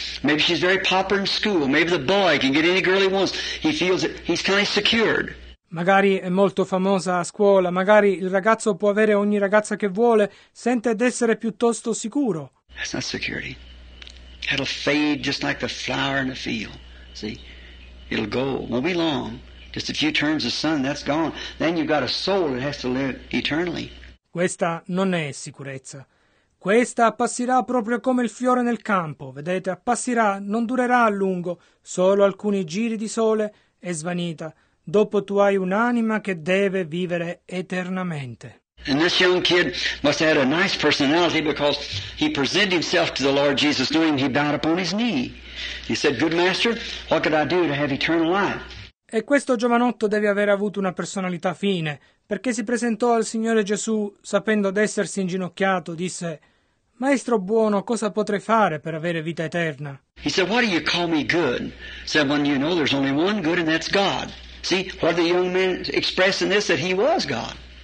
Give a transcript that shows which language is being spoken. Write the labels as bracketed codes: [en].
[en] Maybe she's very popular in school, maybe the boy can get any girl he wants, he feels that he's kind of secured. [it] Magari è molto famosa a scuola, magari il ragazzo può avere ogni ragazza che vuole, sente d'essere piuttosto sicuro. [en] That's not security. It'll fade just like the flower in the field. See? It'll go, won't be long. Just a few turns of sun, that's gone. Then you've got a soul that has to live eternally. [it] Questa non è sicurezza. Questa appassirà proprio come il fiore nel campo. Vedete, appassirà, non durerà a lungo, solo alcuni giri di sole e svanita. Dopo tu hai un'anima che deve vivere eternamente. [en] And this young kid must have had a nice personality because he presented himself to the Lord Jesus, knowing he bowed upon his knee. He said, "Good master, what could I do to have eternal life?" [it] E questo giovanotto deve aver avuto una personalità fine, perché si presentò al Signore Gesù sapendo d'essersi inginocchiato, disse: "Maestro buono, cosa potrei fare per avere vita eterna?" [en] He said, "Why do you call me good? Someone you know there's only one good and that's God." See, what the young man expressed in this that he was God.